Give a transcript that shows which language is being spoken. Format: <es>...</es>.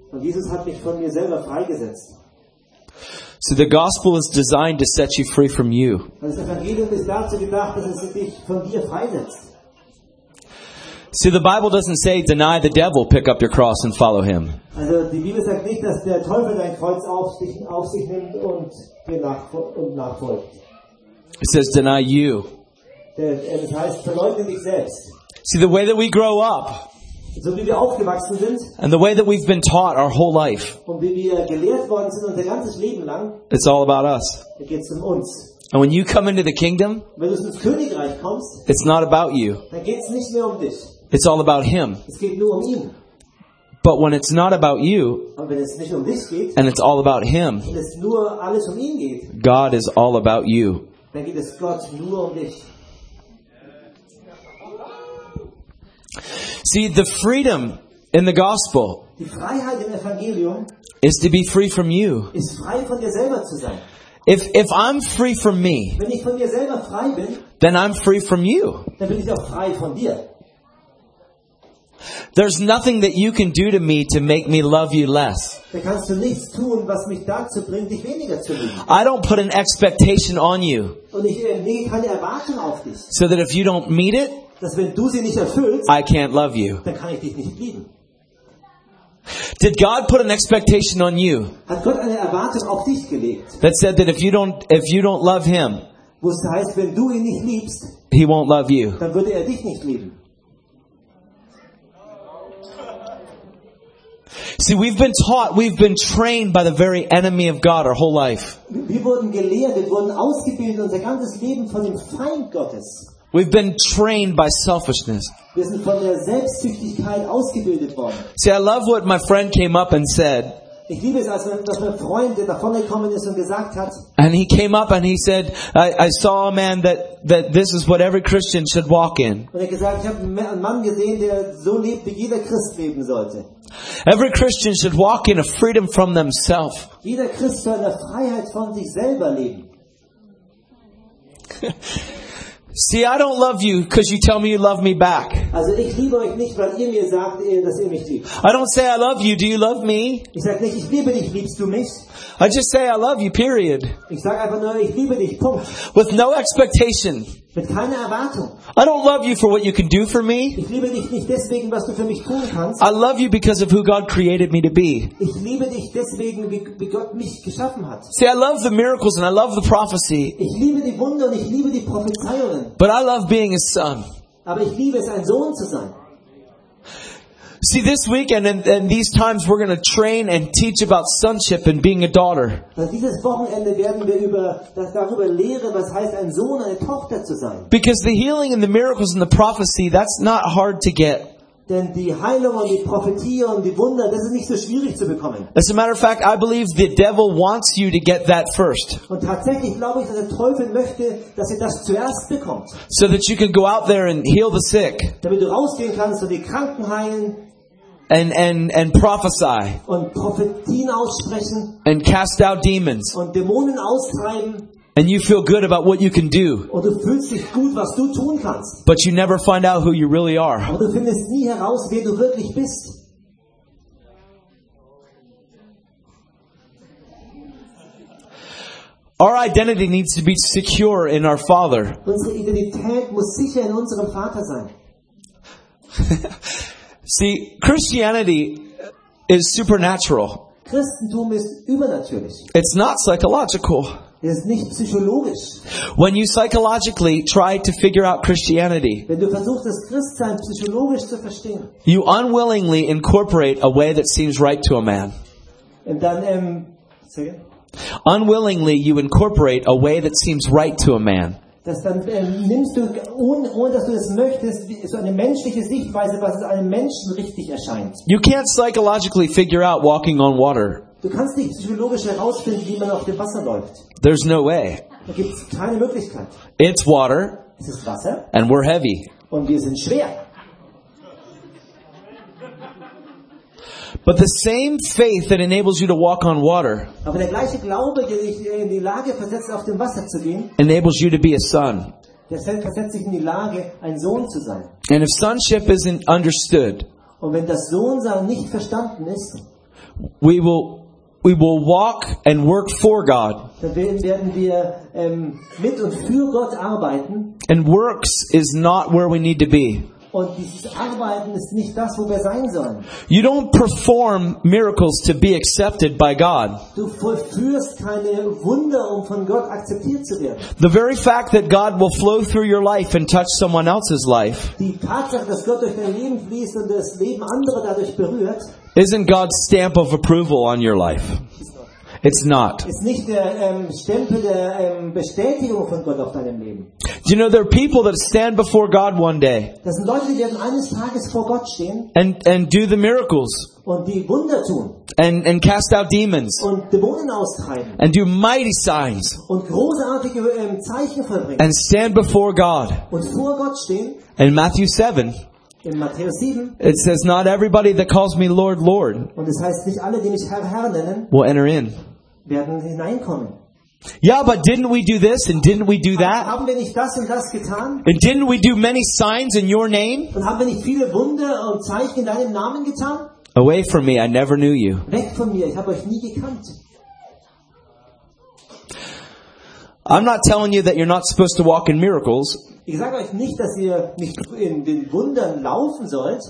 <de>Und Jesus hat mich von mir selber freigesetzt.</de> <en>So the gospel is designed to set you free from you.</en> <de>Das Evangelium ist dazu gedacht, dass es dich von dir freisetzt.</de> <en>See, the Bible doesn't say deny the devil, pick up your cross and follow him.</en> <de>Also, die Bibel sagt nicht, dass der Teufel dein Kreuz auf sich nimmt und dir nachfolgt.</de> <en>It says deny you.</en> <de>Das heißt, verleugne dich selbst.</de> <en>See, the way that we grow up,</en> <de>so wie wir aufgewachsen sind,</de> <en>and the way that we've been taught our whole life,</en> <de>und wie wir gelehrt worden sind unser ganzes Leben lang,</de> <en>it's all about us.</en> <de>Es geht um uns.</de> <en>And when you come into the kingdom,</en> <de>wenn du ins Königreich kommst,</de> <en>it's not about you.</en> <de>Dann geht's nicht mehr um dich.</de> <en>It's all about him.</en> <de>Es geht nur um ihn.</de> <en>But when it's not about you,</en> <de>und wenn es nicht um dich geht,</de> <en>and it's all about him,</en> <de>und es nur alles um ihn geht,</de> <en>God is all about you.</en> <de>Dann geht es Gott nur um dich.</de> <en>See, the freedom in the gospel,</en> <de>die Freiheit im Evangelium,</de> <en>is to be free from you.</en> <de>Ist frei von dir selber zu sein.</de> <en>If I'm free from me,</en> <de>wenn ich von dir selber frei bin,</de> <en>then I'm free from you.</en> <de>Dann bin ich auch frei von dir.</de> <en>There's nothing that you can do to me to make me love you less.</en> <de>Da kannst du nichts tun, was mich dazu bringt, dich weniger zu lieben.</de> <en>I don't put an expectation on you.</en> <de>Und ich lege keine Erwartung auf dich.</de> <en>So that if you don't meet it,</en> <de>dass wenn du sie nicht erfüllst,</de> <en>I can't love you.</en> <de>Dann kann ich dich nicht lieben.</de> <en>Did God put an expectation on you?</en> <de>Hat Gott eine Erwartung auf dich gelegt?</de> <en>That said that if you don't love him,</en> <de>was heißt, wenn du ihn nicht liebst,</de> <en>he won't love you.</en> <de>Dann würde er dich nicht lieben.</de> <en>See, we've been taught, we've been trained by the very enemy of God our whole life.</en> <de>Wir wurden gelehrt, wir wurden ausgebildet unser ganzes Leben von dem Feind Gottes.</de> <en>We've been trained by selfishness.</en> <de>Wir sind von der Selbstsüchtigkeit ausgebildet worden.</de> <en>See, I love what my friend came up and said.</en> <de>Ich liebe es, als dass mein Freund, der davon gekommen ist und gesagt hat.</de> <en>And he came up and he said, I saw a man that this is what every Christian should walk in.</en> <de>Und er gesagt, ich habe einen Mann gesehen, der so lebt, wie jeder Christ leben sollte.</de> <en>Every Christian should walk in a freedom from themselves.</en> <de>Jeder Christ soll in der Freiheit von sich selber leben.</de> <en>See, I don't love you because you tell me you love me back.</en> <de>Also ich liebe euch nicht, weil ihr mir sagt, dass ihr mich liebt.</de> <en>I don't say I love you. Do you love me?</en> <de>Ich sag nicht, ich liebe dich. Liebst du mich?</de> <en>I just say I love you. Period.</en> <de>Ich sag einfach nur, ich liebe dich. Punkt.</de> <en>With no expectation.</en> <de>Mit keiner Erwartung.</de> <en>I don't love you for what you can do for me.</en> <de>Ich liebe dich nicht deswegen, was du für mich tun kannst.</de> <en>I love you because of who God created me to be.</en> <de>Ich liebe dich deswegen, wie Gott mich geschaffen hat.</de> <en>See, I love the miracles and I love the prophecy.</en> <de>Ich liebe die Wunder und ich liebe die Prophezeiungen.</de> <en>But I love being a son.</en> <de>Aber ich liebe es, ein Sohn zu sein.</de> <en>See, this weekend and these times we're going to train and teach about sonship and being a daughter.</en> <de>Dieses Wochenende werden wir darüber lehren, was heißt, ein Sohn, eine Tochter zu sein.</de> <en>Because the healing and the miracles and the prophecy, that's not hard to get.</en> <de>Denn die Heilung und die Prophetie und die Wunder, das ist nicht so schwierig zu bekommen.</de> <en>As a matter of fact, I believe the devil wants you to get that first.</en> <de>Und tatsächlich glaube ich, dass der Teufel möchte, dass ihr das zuerst bekommt.</de> <en>So that you can go out there and heal the sick.</en> <de>Damit du rausgehen kannst und die Kranken heilen.</de> <en>And prophesy.</en> <de>Und Prophetien aussprechen.</de> <en>And cast out demons.</en> <de>Und Dämonen austreiben.</de> <en>And you feel good about what you can do.</en> <de>Und du fühlst dich gut, was du tun kannst.</de> <en>But you never find out who you really are.</en> <de>Und du findest nie heraus, wer du wirklich bist.</de> <en>Our identity needs to be secure in our Father.</en> <de>Unsere Identität muss sicher in unserem Vater sein.</de> <en>See, Christianity is supernatural.</en> <de>Christentum ist übernatürlich.</de> <en>It's not psychological.</en> <de>Ist nicht psychologisch.</de> <en>When you psychologically try to figure out Christianity,</en> <de>wenn du versuchst, das Christsein psychologisch zu verstehen,</de> <en>you unwillingly incorporate a way that seems right to a man. And then, unwillingly you incorporate a way that seems right to a man.</en> <de>Dass dann nimmst du, ohne dass du es möchtest, so eine menschliche Sichtweise, was es einem Menschen richtig erscheint.</de> <en>You can't psychologically figure out walking on water.</en> <de>Du kannst nicht psychologisch herausfinden, wie man auf dem Wasser läuft.</de> <en>There's no way.</en> <de>Da gibt es keine Möglichkeit.</de> <en>It's water.</en> <de>Es ist Wasser.</de> <en>And we're heavy.</en> <de>Und wir sind schwer.</de> <en>But the same faith that enables you to walk on water,</en> <de>aber der gleiche Glaube, der dich in die Lage versetzt, auf dem Wasser zu gehen,</de> <en>enables you to be a son.</en> <de>Der versetzt dich in die Lage, ein Sohn zu sein.</de> <en>And if sonship isn't understood,</en> <de>und wenn das Sohnsein nicht verstanden ist,</de> <en>we will walk and work for God.</en> <de>Dann werden wir mit und für Gott arbeiten.</de> <en>And works is not where we need to be.</en> <de>Und dieses Arbeiten ist nicht das, wo wir sein sollen.</de> <en>You don't perform miracles to be accepted by God.</en> <de>Du vollführst keine Wunder, um von Gott akzeptiert zu werden.</de> <en>The very fact that God will flow through your life and touch someone else's life,</en> <de>die Tatsache, dass Gott durch dein Leben fließt und das Leben anderer dadurch berührt,</de> <en>isn't God's stamp of approval on your life. It's not.</en> <de>Ist nicht der Stempel der Bestätigung von Gott auf deinem Leben.</de> <en>Do you know there are people that stand before God one day?</en> <de>Das sind Leute, die werden eines Tages vor Gott stehen.</de> <en>And do the miracles.</en> <de>Und die Wunder tun.</de> <en>And cast out demons.</en> <de>Und Dämonen austreiben.</de> <en>And do mighty signs.</en> <de>Und großartige Zeichen vollbringen.</de> <en>And stand before God.</en> <de>Und vor Gott stehen.</de> <en>In Matthew 7.</en> <de>In Matthäus 7,</de> <en>it says, not everybody that calls me Lord, Lord,</en> <de>und es heißt, nicht alle, die mich Herr, Herr nennen,</de> <en>will enter in.</en> <de>Werden hineinkommen.</de> <en>Yeah, but didn't we do this and didn't we do that?</en> <de>Haben wir nicht das und das getan?</de> <en>And didn't we do many signs in your name?</en> <de>Und haben wir nicht viele Wunder und Zeichen in deinem Namen getan?</de> <en>Away from me, I never knew you.</en> <de>Weg von mir, ich habe euch nie gekannt.</de> <en>I'm not telling you that you're not supposed to walk in miracles.</en> <de>Ich sage euch nicht, dass ihr nicht in den Wundern laufen sollt.</de>